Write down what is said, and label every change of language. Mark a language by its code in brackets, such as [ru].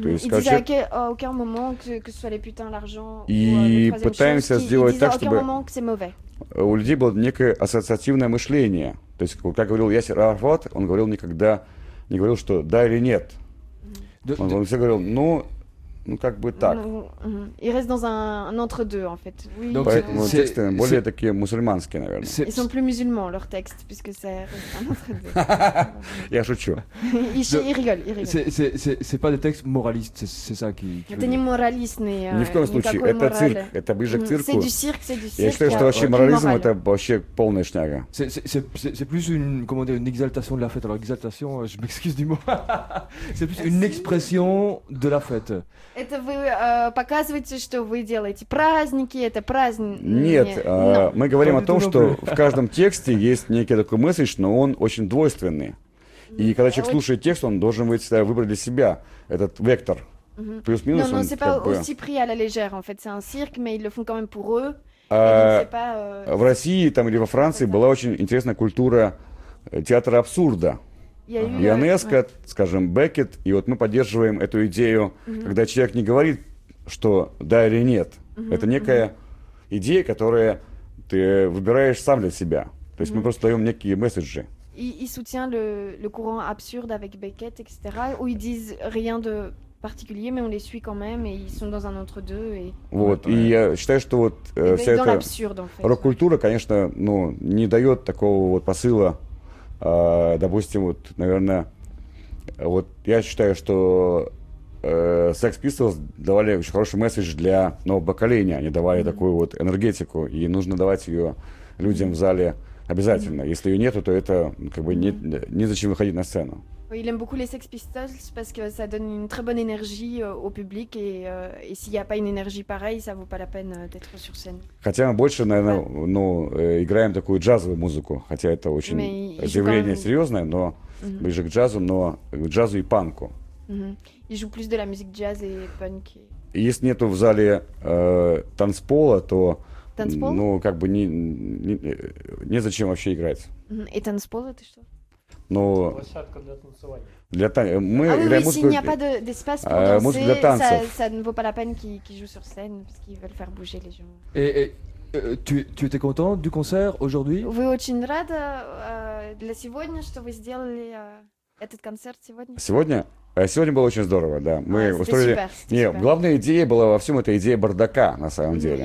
[ru] То есть, короче, и пытаемся сделать так, чтобы у людей было некое ассоциативное мышление. То есть, как говорил Ясир Арафат, он говорил никогда, не говорил, что да или нет. Mm-hmm. Он всегда говорил, ну... Ну, как бы так. [fr] Il reste dans un entre-deux, en fait. Oui, donc, [ru] поэтому тексты более такие мусульманские, наверное. [fr] Ils sont plus musulmans, leurs textes, puisque c'est un entre-deux. [ru] Я шучу. [fr] Ils rigolent. C'est pas des textes moralistes, c'est ça qui... [ru] Это не моралистные, никакой морали. Ни в коем случае, это цирк, это ближе к цирку. [fr] C'est du cirque. [ru] Я считаю, что вообще морализм, это вообще полная шняга. [fr] C'est plus une, comment dire, une exaltation de la fête. Alors, exaltation, je m'excuse du mot. C'est plus une expression de la fête. [ru] Это вы показываете, что вы делаете праздники, это праздник... Нет, мы говорим о том, что в каждом тексте есть некий такой месседж, но он очень двойственный. И когда человек слушает текст, он должен всегда выбрать для себя этот вектор. Плюс-минус он как бы... [fr] Non, c'est pas aussi pris à la légère, en fait. C'est un cirque, mais ils le font quand même pour eux. [ru] В России там, или во Франции была очень интересная культура театра абсурда. Ионеско, скажем, Беккет, и вот мы поддерживаем эту идею, mm-hmm. когда человек не говорит, что да или нет. Mm-hmm. Это некая mm-hmm. идея, которую ты выбираешь сам для себя. То есть mm-hmm. мы просто даем некие месседжи. [fr] И soutient le courant absurde avec Beckett, etc. Où ils disent rien de... particulier, mais on les suit quand même, et ils sont dans un entre-deux. Et... [ru] Вот, и я считаю, что вот вся эта рок-культура, конечно, ну, не дает такого вот посыла, допустим, вот, наверное, вот я считаю, что Sex Pistols давали очень хороший месседж для нового поколения, они давали такую вот энергетику, и нужно давать ее людям в зале обязательно. Если ее нету, то это как бы незачем выходить на сцену. [fr] Il aime beaucoup les Sex Pistols parce que ça donne une très bonne énergie au public et s'il n'y a pas une énergie pareille, ça ne vaut pas la peine d'être sur scène. [ru] Хотя мы больше, наверное, [fr] ouais. [ru] ну, играем такую джазовую музыку, хотя это очень [fr] Mais [ru] заявление [fr] même... [ru] серьезное, но mm-hmm. ближе к джазу, но к джазу и панку. Mm-hmm. [fr] Il joue plus de la musique jazz et punk. [ru] Если нету в зале танцпола, то танцпол? Ну, как бы незачем вообще играть. Mm-hmm. И танцпол это что? Но для танцевания. Для танцев. Мы играем музыку. [fr] Si [ru] музыку для танцев. [fr] Ça, ça ne vaut pas la peine qu'ils jouent sur scène parce qu'ils veulent faire bouger les gens. Tu étais content du concert aujourd'hui? [ru] Вы очень рада для сегодня, что вы сделали этот концерт сегодня? Сегодня? Сегодня было очень здорово, да. Мы устроили. Не, главная идея была во всем это идея бардака на самом деле.